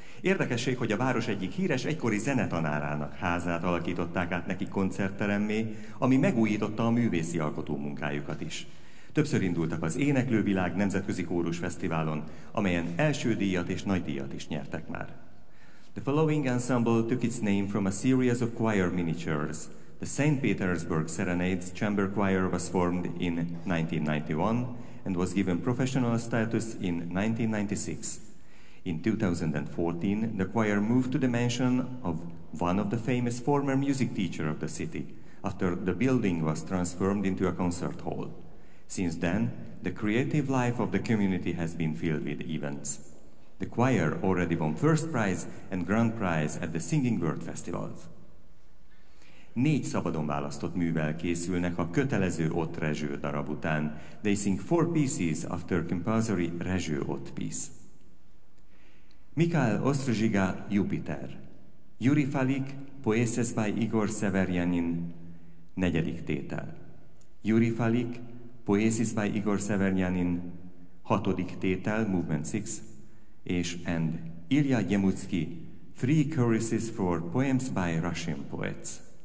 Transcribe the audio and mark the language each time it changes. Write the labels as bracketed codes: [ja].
[hu] Érdekesség, hogy a város egyik híres egykori zenetanárának házát alakították át neki koncertteremmé, ami megújította a művészi alkotó munkájukat is. Többször indultak az Éneklővilág Nemzetközi Kórus Fesztiválon, amelyen első díjat és nagy díjat is nyertek már. [en] The following ensemble took its name from a series of choir miniatures. The St. Petersburg Serenades Chamber Choir was formed in 1991 and was given professional status in 1996. In 2014, the choir moved to the mansion of one of the famous former music teacher of the city, after the building was transformed into a concert hall. Since then, the creative life of the community has been filled with events. The choir already won first prize and grand prize at the Singing World Festivals. [hu] Négy szabadon választott művel készülnek a kötelező Ott Rezső darab után. [en] They sing four pieces after compulsory Rezső Ott piece. Mikhail Ostrzyga, Jupiter. Yuri Falik, Poesis by Igor Severyanin. [hu] Negyedik tétel. Yuri Falik, Poesis by Igor Severyanin. Hatodik tétel, [en] movement 6. És end. Ilya Gyemucki, Three Choruses for Poems by Russian Poets.